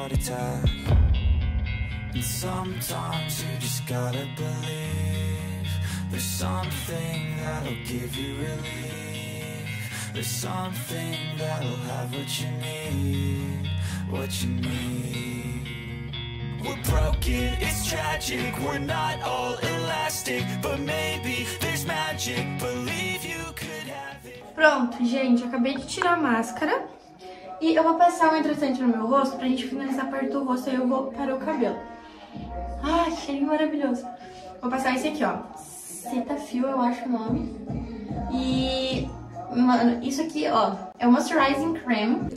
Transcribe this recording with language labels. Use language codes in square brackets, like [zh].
[pt] tirar esse negócio agora. [en] We're broken, it's tragic. We're not all elastic, but maybe there's magic. Believe you could have it. [pt] Pronto, gente, acabei de tirar a máscara. E eu vou passar um hidratante no meu rosto pra gente finalizar a parte do rosto, aí eu vou para o cabelo. Ah, cheirinho maravilhoso. Vou passar esse aqui, ó. Cetaphil, eu acho o nome. E, mano, isso aqui, ó, é o Moisturizing Cream.